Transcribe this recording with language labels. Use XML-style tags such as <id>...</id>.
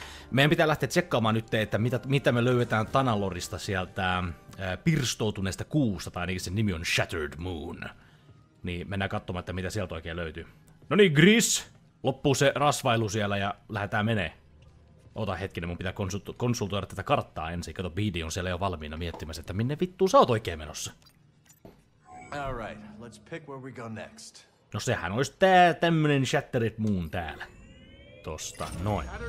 <fi>Meidän pitää lähteä tsekkaamaan nyt, että mitä me löydetään Tanalorista sieltä pirstoutuneesta kuusta, tai ainakin sen nimi on Shattered Moon. Niin mennään katsomaan, että mitä sieltä oikein löytyy. No niin, Gris, loppuu se rasvailu siellä ja lähdetään menee. Ota hetkinen, mun pitää konsultoida tätä karttaa ensin. Kato, BD on siellä jo valmiina miettimässä, että minne vittuun sä oot oikein menossa.</fi> <en>All right, let's pick where we go next.</en> <fi>No sehän olisi tää tämmönen Shattered Moon täällä. Tosta noin.</fi>